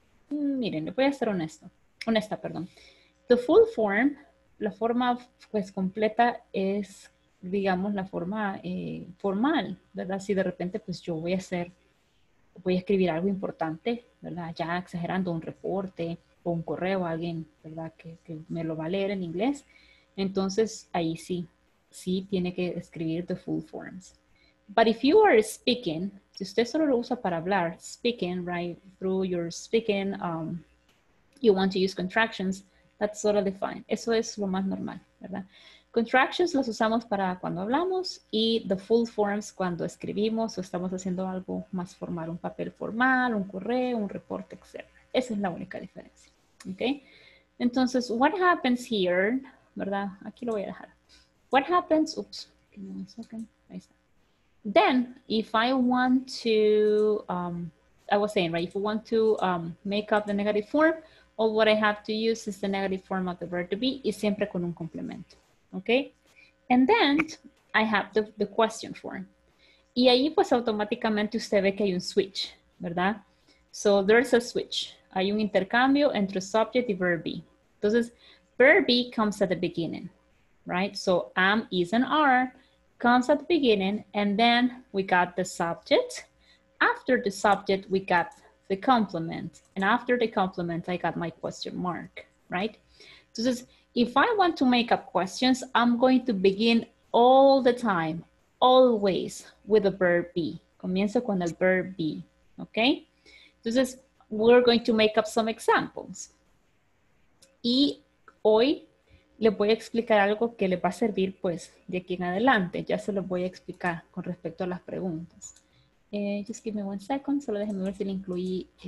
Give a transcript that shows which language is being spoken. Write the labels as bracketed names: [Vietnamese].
[Spanish] Miren, le voy a ser honesta. [English] The full form, [Spanish] la forma, pues, completa es, digamos, la forma formal, ¿verdad? Si de repente, pues, yo voy a escribir algo importante, ¿verdad? Ya exagerando, un reporte o un correo a alguien, ¿verdad? Que me lo va a leer en inglés. Entonces, ahí sí, sí tiene que escribir [English] the full forms. But if you are speaking, [Spanish] si usted solo lo usa para hablar, [English] speaking, right, through your speaking, you want to use contractions, that's totally fine. [Spanish] Eso es lo más normal, ¿verdad? Contractions las usamos para cuando hablamos y [English] the full forms [Spanish] cuando escribimos o estamos haciendo algo más formal, un papel formal, un correo, un reporte, etc. Esa es la única diferencia, ¿ok? Entonces, [English] what happens here, [Spanish] ¿verdad? Aquí lo voy a dejar. [English] What happens, oops, give me a second, [Spanish] ahí está. [English] Then, if I want to, I was saying, right, if I want to make up the negative form, all what I have to use is the negative form of the verb to be [Spanish] y siempre con un complemento. [English] Okay, and then I have the question form. [Spanish] Y ahí pues automáticamente usted ve que hay un switch, ¿verdad? [English] So there's a switch. [Spanish] Hay un intercambio entre subject y verb be. [English] Entonces, verb be comes at the beginning, right? So am, is, and are comes at the beginning, and then we got the subject. After the subject, we got the complement. And after the complement, I got my question mark, right? Entonces, if I want to make up questions, I'm going to begin all the time, always, with a verb be. [Spanish] Comienzo con el [English] verb be, okay? Entonces, we're going to make up some examples. [Spanish] Y hoy les voy a explicar algo que les va a servir, pues, de aquí en adelante. Ya se los voy a explicar con respecto a las preguntas. [English] Just give me one second, [Spanish] solo déjenme ver si le incluí.